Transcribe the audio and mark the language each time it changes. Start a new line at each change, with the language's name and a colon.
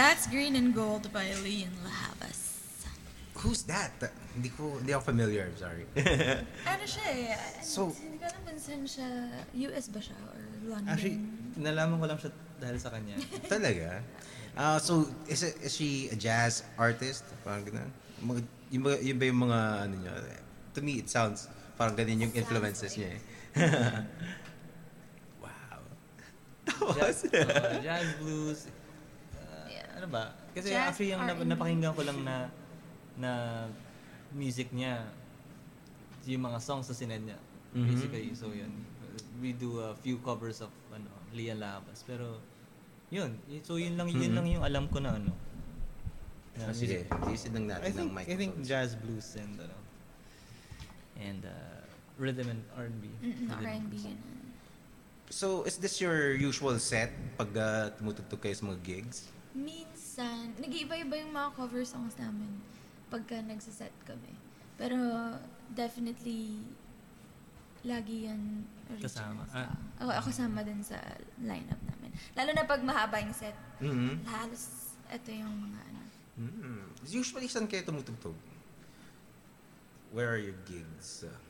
English: Green and Gold by Leon Lahavas. Who's that?
Filipino: Hindi ako
English: familiar, sorry.
Filipino: Ano siya eh? So, hindi ko alam kung saan siya, US ba siya or London? Actually, nalaman ko lang siya dahil sa kanya.
English: Talaga? So, is she a jazz artist?
Filipino: Parang ganun? Yung ba yung mga, ano niya?
English: To me, it sounds
Filipino: parang ganun yung
English: influences like niya eh. Wow.
Filipino: Jazz, jazz blues. Ano ba? Kasi jazz actually, yung napakinggan ko lang na music niya, yung mga songs na sinend niya, basically. Mm-hmm. So, yun.
English: We do a few covers of ano Leon Lahavas.
Filipino: Pero, yun. So, yun lang, yun lang yung alam ko na ano. Na sige, isin lang natin ng microphones.
English: I think jazz, blues, and ano. And rhythm and R&B. R&B. So, is this your usual set
Filipino: pag tumutugtog kayo sa mga
English: gigs?
Filipino: Minsan. Nag-iba-iba yung mga cover songs namin pagka nagsiset kami. Pero definitely lagi yan kasama. Ako kasama din sa lineup namin. Lalo na pag mahaba yung set. Mm-hmm. Halos ito yung mga ano.
English: Mm-hmm. Usually,
Filipino: saan kayo tumutugtog?
English: Where are your gigs?